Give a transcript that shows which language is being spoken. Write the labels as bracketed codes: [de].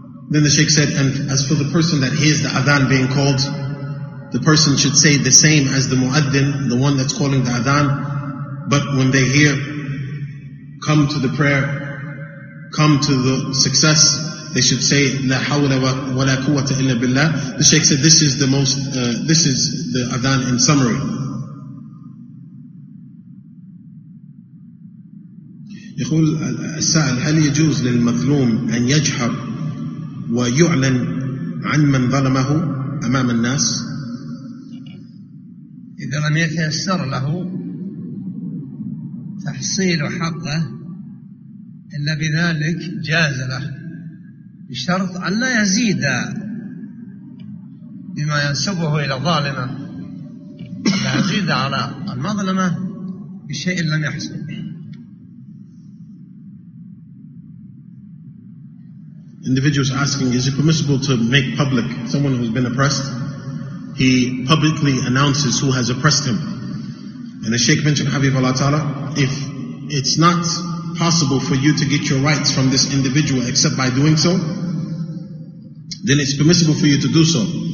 [en] Then the Shaykh said, and as for the person that hears the adhan being called, the person should say the same as the muaddin, the one that's calling the adhan. But when they hear, come to the prayer, come to the success, they should say La hawla wa la quwwata illa billah. The Shaykh said this is the most, this is the adhan in summary. [ar] يقول السائل هل يجوز للمظلوم أن يجهر ويعلن عن من ظلمه أمام الناس؟ إذا لم يتيسر له تحصيل حقه إلا بذلك جاز له، بشرط أن لا يزيد بما ينسبه إلى الظالمة، لا يزيد على المظلمة بشيء لم يحصل. [en] Individuals asking, is it permissible to make public someone who's been oppressed? He publicly announces who has oppressed him. And the Shaykh mentioned, Habib Allah Ta'ala, if it's not possible for you to get your rights from this individual except by doing so, then it's permissible for you to do so.